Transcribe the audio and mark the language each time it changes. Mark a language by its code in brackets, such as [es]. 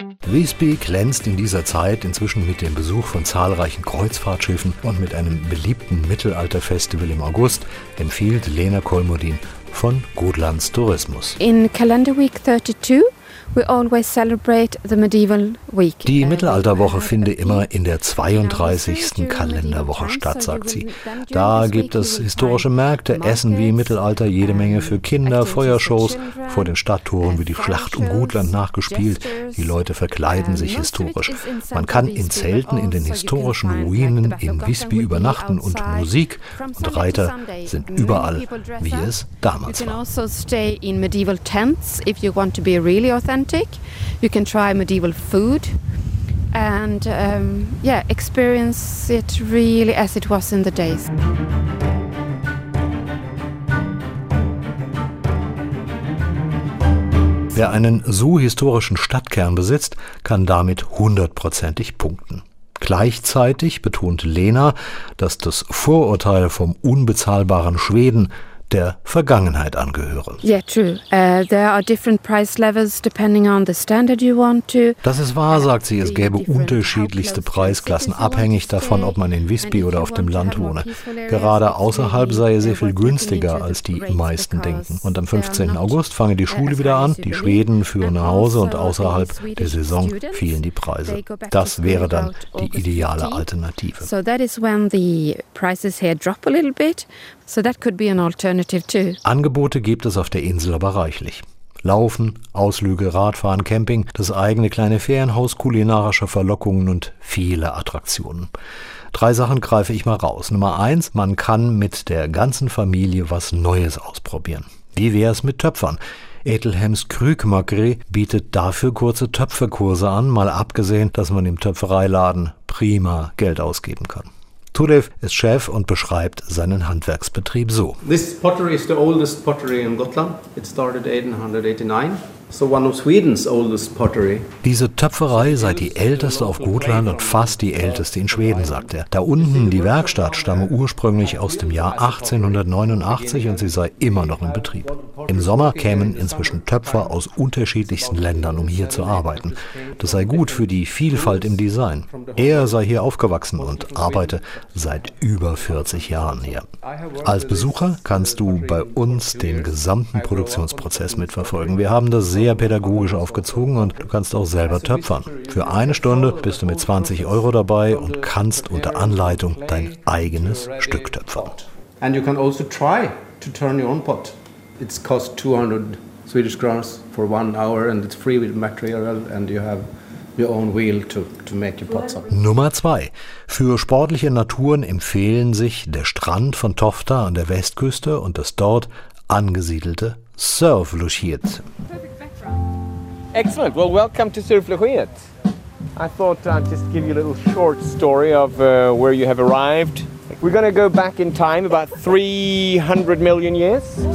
[de] Visby glänzt in dieser Zeit inzwischen mit dem Besuch von zahlreichen Kreuzfahrtschiffen und mit einem beliebten Mittelalterfestival im August, empfiehlt Lena Kolmodin von Gotlands Tourismus. [en] In Calendar Week 32 we always celebrate the Medieval Week. [de] Die Mittelalterwoche finde immer in der 32. Kalenderwoche statt, sagt sie. Da gibt es historische Märkte, Essen wie im Mittelalter, jede Menge für Kinder, Feuershows. Vor den Stadttoren wird die Schlacht um Gotland nachgespielt. Die Leute verkleiden sich historisch. Man kann in Zelten in den historischen Ruinen in Visby übernachten und Musik und Reiter sind überall, wie es damals war. [en] You can also stay in medieval tents if you want to be really authentic. You can try medieval food and experience it really as it was in the days. [de] Wer einen so historischen Stadtkern besitzt, kann damit 100%ig punkten. Gleichzeitig betont Lena, dass das Vorurteil vom unbezahlbaren Schweden der Vergangenheit angehöre. [en] Yeah, true. There are different price levels depending on the standard you want to. [de] Das ist wahr, sagt sie. Es gäbe unterschiedlichste Preisklassen, abhängig davon, ob man in Visby oder auf dem Land wohne. Gerade außerhalb sei sehr viel günstiger, als die meisten denken. Und am 15. August fange die Schule wieder an. Die Schweden führen nach Hause und außerhalb der Saison fielen die Preise. Das wäre dann die ideale Alternative. [en] So that is when the prices here drop a little bit. So that could be an alternative too. [de] Angebote gibt es auf der Insel aber reichlich. Laufen, Ausflüge, Radfahren, Camping, das eigene kleine Ferienhaus, kulinarische Verlockungen und viele Attraktionen. 3 Sachen greife ich mal raus. Nummer 1, man kann mit der ganzen Familie was Neues ausprobieren. Wie wäre es mit Töpfern? Edelhems Krügmakeri bietet dafür kurze Töpferkurse an, mal abgesehen, dass man im Töpfereiladen prima Geld ausgeben kann. Turev ist Chef und beschreibt seinen Handwerksbetrieb so. [en] This pottery is the oldest pottery in Gotland. It started 1889. So one of Sweden's oldest pottery. [de] Diese Töpferei sei die älteste auf Gotland und fast die älteste in Schweden, sagt er. Da unten die Werkstatt stamme ursprünglich aus dem Jahr 1889 und sie sei immer noch in Betrieb. Im Sommer kämen inzwischen Töpfer aus unterschiedlichsten Ländern, um hier zu arbeiten. Das sei gut für die Vielfalt im Design. Er sei hier aufgewachsen und arbeite seit über 40 Jahren hier. Als Besucher kannst du bei uns den gesamten Produktionsprozess mitverfolgen. Wir haben das sehr pädagogisch aufgezogen und du kannst auch selber töpfern. Für eine Stunde bist du mit 20 Euro dabei und kannst unter Anleitung dein eigenes Stück töpfern. [en] And you can also try to turn your own pot. It costs 200 Swedish crowns for 1 hour and it's free with material and you have your own wheel to make your pots up. [de] Nummer 2. Für sportliche Naturen empfehlen sich der Strand von Tofta an der Westküste und das dort angesiedelte Surf Lushiet. [en] Excellent. Well, welcome to Surf Lushiet. I thought I'd just give you a little short story of where you have arrived. We're going to go back in time about 300 million years.